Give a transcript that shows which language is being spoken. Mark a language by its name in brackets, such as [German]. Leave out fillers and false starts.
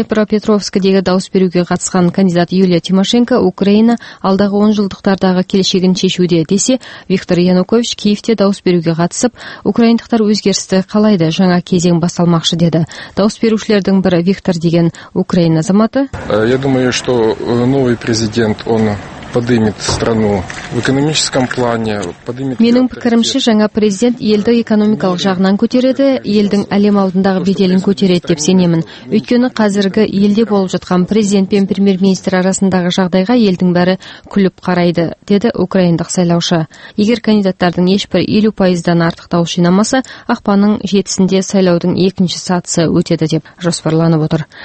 [Kazakh] Петровскідегі дауыс беруге қатысқан кандидат Юлия Тимошенко Украина алдағы 10 жылдықтардағы келешегін шешуде десе, Виктор Янукович Киевте дауыс беруге қатысып, украиндықтар өзгерісті қалайды, жаңа кезең басталмақшы деді. Дауыс берушілердің бірі Виктор деген украин азаматы. [Russian] Я думаю, что новый президент он поднимет страну в экономическом плане. [Kazakh] Менің пікірімше, жаңа президент елді экономикалық жағынан көтереді, елдің әлем алдындағы беделін көтереді деп сенемін. Өйткені қазіргі елде болып жатқан президент пен премьер-министр арасындағы жағдайға елдің бәрі күліп қарайды, деді украиндық сайлаушы. Егер кандидаттардың ешбір 50%-дан артық дауыс жинамаса, ақпанның 7-сінде сайлаудың екінші сатысы өтеді деп жоспарланып отыр.